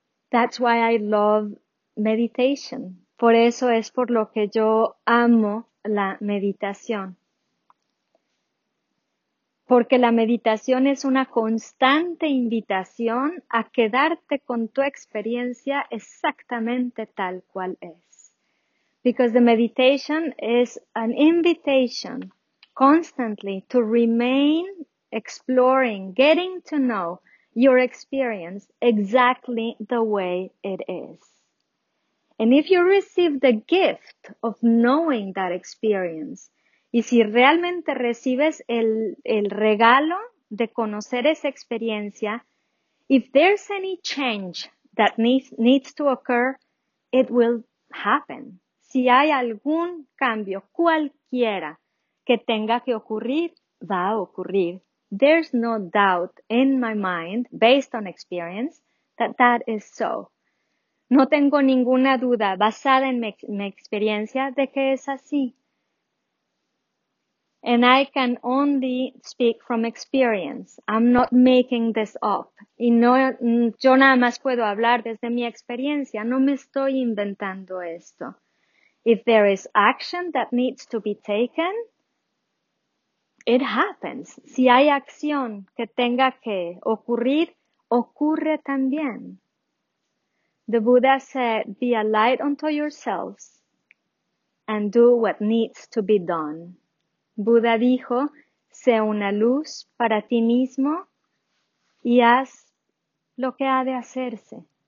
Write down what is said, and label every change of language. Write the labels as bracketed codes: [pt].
[en] That's why I love meditation. [es] Por eso es por lo que yo amo la meditación. Porque la meditación es una constante invitación a quedarte con tu experiencia exactamente tal cual es. [en] Because the meditation is an invitation constantly to remain exploring, getting to know your experience exactly the way it is. And if you receive the gift of knowing that experience, [es] y si realmente recibes el regalo de conocer esa experiencia, [en] if there's any change that needs to occur, it will happen. [es] Si hay algún cambio, cualquiera que tenga que ocurrir, va a ocurrir. [en] There's no doubt in my mind, based on experience, that that is so. [es] No tengo ninguna duda basada en mi experiencia de que es así. [en] And I can only speak from experience. I'm not making this up. [es] Y no, yo nada más puedo hablar desde mi experiencia. No me estoy inventando esto. [en] If there is action that needs to be taken, it happens. [es] Si hay acción que tenga que ocurrir, ocurre también. [en] The Buddha said, be a light unto yourselves and do what needs to be done. [es] Buda dijo, sé una luz para ti mismo y haz lo que ha de hacerse.